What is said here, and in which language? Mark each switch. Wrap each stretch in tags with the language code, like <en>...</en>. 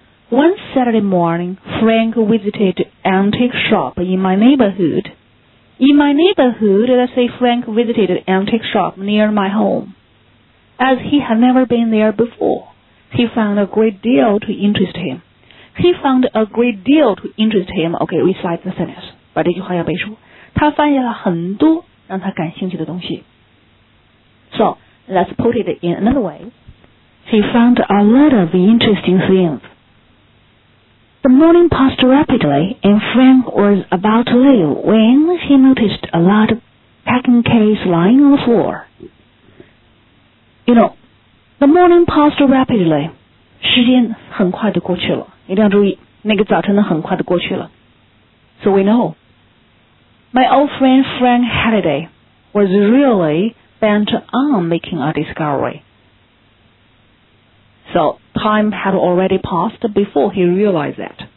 <en>One Saturday morning, Frank visited antique shop in my neighborhood. In my neighborhood, let's say Frank visited antique shop near my home. As he had never been there before, he found a great deal to interest him. He found a great deal to interest him. Okay, recite the sentence.</en> <zh>把这句话要背熟。他发现了很多让他感兴趣的东西。</zh> <en>So, let's put it in another way. He found a lot of interesting things. The morning passed rapidly, and Frank was about to leave when he noticed a large packing case lying on the floor. You know, the morning passed rapidly.</en> <zh>时间很快的过去了，一定要注意，那个早晨呢，很快的过去了。</zh> <en>So we know, my old friend Frank Halliday was really bent on making a discovery. So, time had already passed before he realized that.</en>